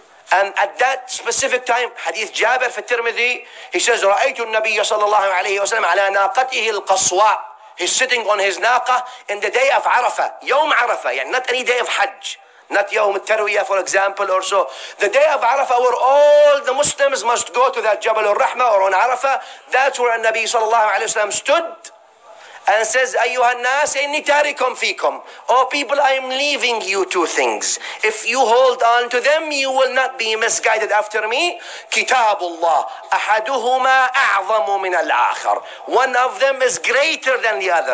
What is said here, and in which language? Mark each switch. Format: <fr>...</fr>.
<en>And at that specific time, Hadith Jabir fi Tirmidhi, he says,</en> <ar>رَأَيْتُ النَّبِيَّ صَلَى اللَّهُ عَلَيْهِ وَسَلَمْ عَلَى نَاقَتِهِ الْقَصْوَى.</ar> <en>He's sitting on his naqa in the day of Arafah. يوم Arafah, yeah, not any day of Hajj. Not يوم الترويه, for example, or so. The day of Arafah where all the Muslims must go to that Jabal al-Rahma or on Arafah. That's where</en> <ar>النبي صلى الله عليه وسلم</ar> <en>stood. And says,</en> <ar>أيها الناس إني تاركم فيكم.</ar> <en>Oh people, I'm leaving you two things. If you hold on to them, you will not be misguided after me.</en> <ar>كتاب الله أحدهما أعظم من الآخر.</ar> <en>One of them is greater than the other.</en>